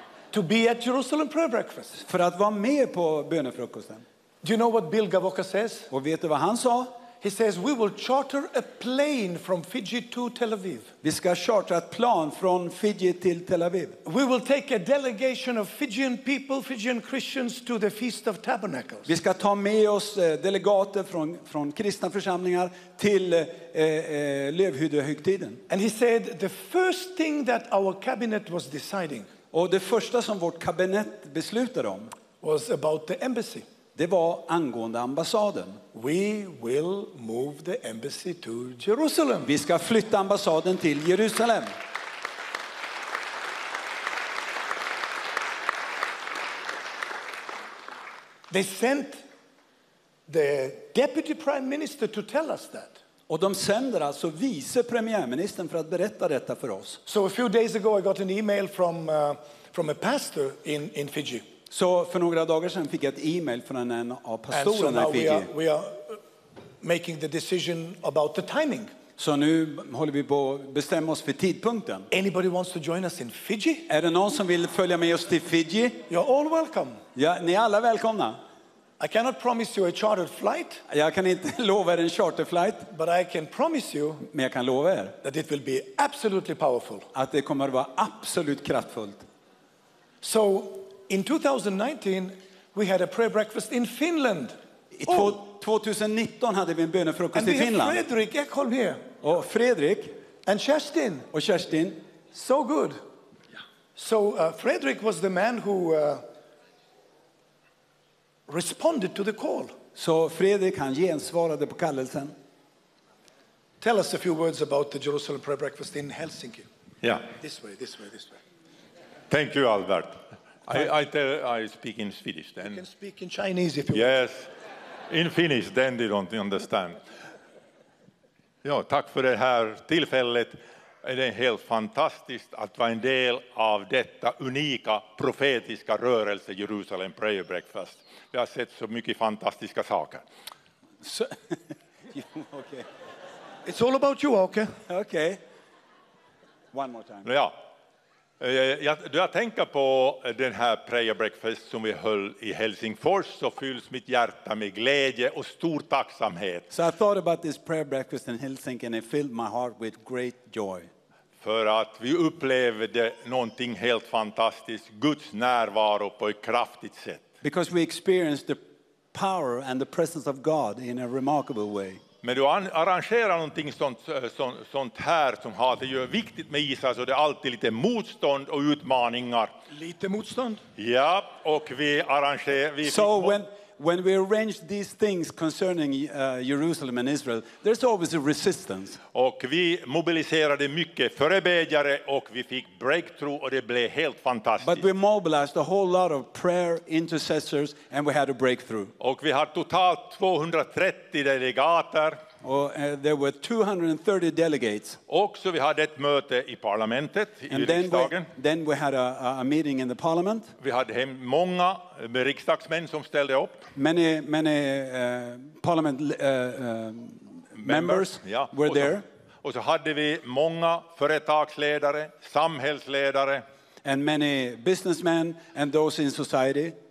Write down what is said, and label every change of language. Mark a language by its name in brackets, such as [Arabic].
[English] To be at Jerusalem prayer breakfast. [Swedish] För att vara med på bönefrukosten. [English] Do you know what Bill Gavoka says? [Swedish] Och vet du vad han sa? [English] He says we will charter a plane from Fiji to Tel Aviv. [Swedish] Vi ska chartra ett plan från Fiji till Tel Aviv. [English] We will take a delegation of Fijian people, Fijian Christians to the Feast of Tabernacles. [Swedish] Vi ska ta med oss delegater från kristna församlingar till lövhyddohögtiden. [English] And he said the first thing that our cabinet was deciding. [Swedish] Och det första som vårt kabinett beslutade om [English] was about the embassy. [Swedish] Det var angående ambassaden. [English] We will move the embassy to Jerusalem. [Swedish] Vi ska flytta ambassaden till Jerusalem. [English] They sent the deputy prime minister to tell us that. [Swedish] Och de sänder alltså vice premiärministern för att berätta detta för oss. [English] So a few days ago I got an email from a pastor in Fiji. [Swedish] Så för några dagar sedan fick jag ett e-mail från en av pastorerna i Fiji. [English] And so now we are making the decision about the timing. [Swedish] Så nu håller vi på att bestämma oss för tidpunkten. [English] Anybody wants to join us in Fiji? [Swedish] Är det någon som vill följa med oss till Fiji? [English] You're all welcome. [Swedish] Ja, ni är alla välkomna. [English] I cannot promise you a chartered flight. [Swedish] Jag kan inte lova er en charter flight. [English] But I can promise you. [Swedish] Men jag kan lova er. [English] That it will be absolutely powerful. [Swedish] Att det kommer att vara absolut kraftfullt. [English] So. In 2019 we had a prayer breakfast in Finland. [Swedish] I 2019 hade vi en bönefrukost i Finland. [English] And Fredrik Ekholm here. [Swedish] Och Fredrik [English] and Kerstin. [Swedish] Och Kerstin. [English] So good. So Fredrik was the man who responded to the call. [Swedish] Så Fredrik han gensvarade på kallelsen. [English] Tell us a few words about the Jerusalem prayer breakfast in Helsinki. Yeah. This way. Thank you, Albert. I speak in Swedish then. You can speak in Chinese if you want. Yes, in Finnish, then they don't understand. [Swedish] Ja, tack för det här tillfället. Det är helt fantastiskt att vara en del av detta unika profetiska rörelse Jerusalem Prayer Breakfast. Vi har sett så mycket fantastiska saker. [English] So, okay. It's all about you, okay? Okay. One more time. [Swedish] Ja. Jag tänker på den här prayer breakfast som vi höll i Helsingfors, så fylls mitt hjärta med glädje och stor tacksamhet. [English] So I thought about this prayer breakfast in Helsinki and it filled my heart with great joy. [Swedish] För att vi upplevde någonting helt fantastiskt, Guds närvaro på ett kraftigt sätt. [English] Because we experienced the power and the presence of God in a remarkable way. [Swedish] Men du arrangerar någonting sånt här som har det ju viktigt med Israel, så det är alltid lite motstånd och utmaningar. Lite motstånd? Ja, och vi arrangerar... [English] When we arrange these things concerning Jerusalem and Israel, there's always a resistance. [Swedish] Och vi mobiliserade mycket förebedjare och vi fick breakthrough och det blev helt fantastiskt. [English] But we mobilized a whole lot of prayer intercessors and we had a breakthrough. [Swedish] Och vi har totalt 230 delegater. [English] Or, there were 230 delegates. [Swedish] Och så vi hade ett möte i parlamentet [English] and [Swedish] i riksdagen. [English] Then we had a meeting in the parliament. [Swedish] Vi hade hem många riksdagsmän som ställde upp. [English] Many parliament members ja. Were there. [Swedish] Och så hade vi många företagsledare, samhällsledare. [English] And many businessmen and those in society.